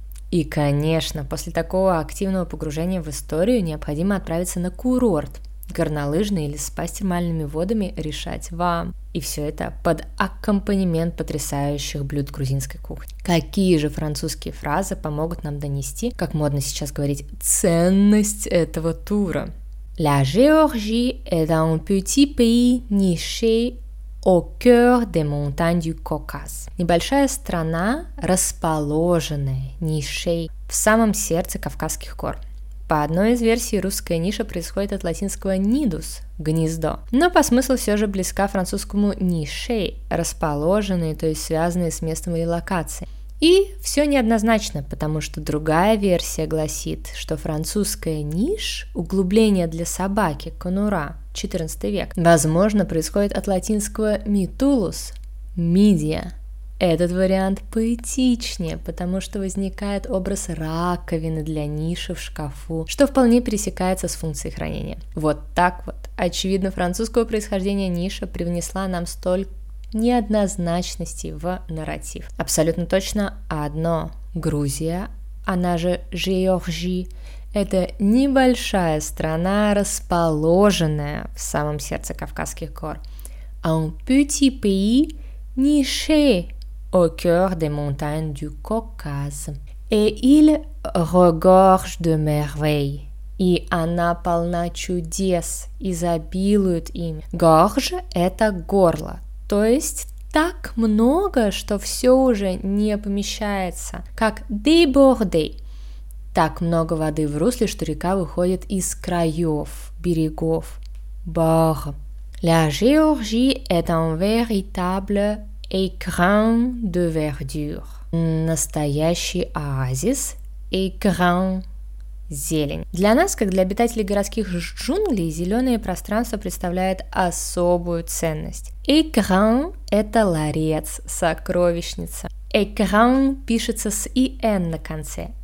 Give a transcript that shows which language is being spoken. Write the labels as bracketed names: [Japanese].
[Russian] И, конечно, после такого активного погружения в историю необходимо отправиться на курорт. Горнолыжные или спа с термальными водами решать вам. И все это под аккомпанемент потрясающих блюд грузинской кухни. Какие же французские фразы помогут нам донести, как модно сейчас говорить, ценность этого тура? [French] La Géorgie est un petit pays niché au cœur des montagnes du Caucase. [Russian] Небольшая страна, расположенная нишей в самом сердце Кавказских гор. По одной из версий, русская ниша происходит от латинского «nidus» – «гнездо». Но по смыслу все же близка французскому «niche» – «расположенные», то есть связанные с местом релокации. И все неоднозначно, потому что другая версия гласит, что французская «ниш» – углубление для собаки, конура, 14 век, возможно, происходит от латинского «mitulus» – «мидия». Этот вариант поэтичнее, потому что возникает образ раковины для ниши в шкафу, что вполне пересекается с функцией хранения. Вот так вот. Очевидно, французского происхождения ниша привнесла нам столь неоднозначности в нарратив. Абсолютно точно одно. Грузия, она же Géorgie, это небольшая страна, расположенная в самом сердце Кавказских гор. [French] Un petit pays niché au cœur des montagnes du Caucase. Et il regorge de merveilles. [Russian] И она полна чудес, изобилует ими. Gorge – это горло, то есть так много, что все уже не помещается, как déborder. Так много воды в русле, что река выходит из краев, берегов. [French] Bord. La Géorgie est un véritable Écran de verdure. [Russian] Настоящий оазис. Écran. Зелень. Для нас, как для обитателей городских джунглей, зеленое пространство представляет особую ценность. Écran – это ларец, сокровищница. Écran пишется с ин на конце.